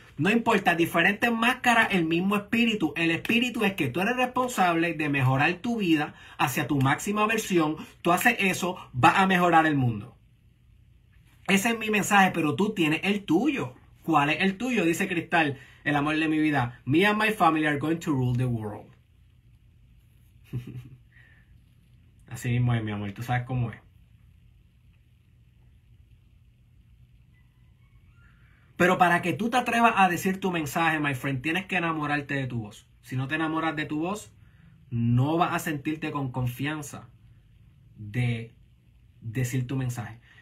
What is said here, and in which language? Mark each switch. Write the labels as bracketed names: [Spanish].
[Spanish] No importa, diferentes máscaras, el mismo espíritu. El espíritu es que tú eres responsable de mejorar tu vida hacia tu máxima versión. Tú haces eso, vas a mejorar el mundo. Ese es mi mensaje, pero tú tienes el tuyo. ¿Cuál es el tuyo? Dice Cristal, el amor de mi vida. [English] Me and my family are going to rule the world. [Spanish] Así mismo es, mi amor, tú sabes cómo es. Pero para que tú te atrevas a decir tu mensaje, [English] my friend, [Spanish] tienes que enamorarte de tu voz. Si no te enamoras de tu voz, no vas a sentirte con confianza de decir tu mensaje.